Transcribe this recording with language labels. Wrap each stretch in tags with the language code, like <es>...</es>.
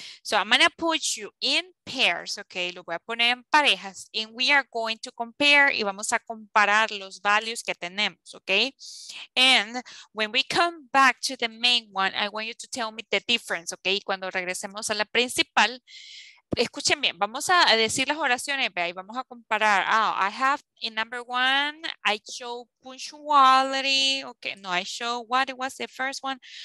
<en>So I'm gonna put you in pairs, okay? Lo voy a poner en parejas and we are going to compare y vamos a comparar los values que tenemos, okay? And when we come back to the main one, I want you to tell me the difference, okay?</en> <es>Cuando regresemos a la principal, escuchen bien, vamos a decir las oraciones, vea, y vamos a comparar.</es> <en>Oh, I have in number one, I show punctuality, okay? No, I show what it was the first one.</en>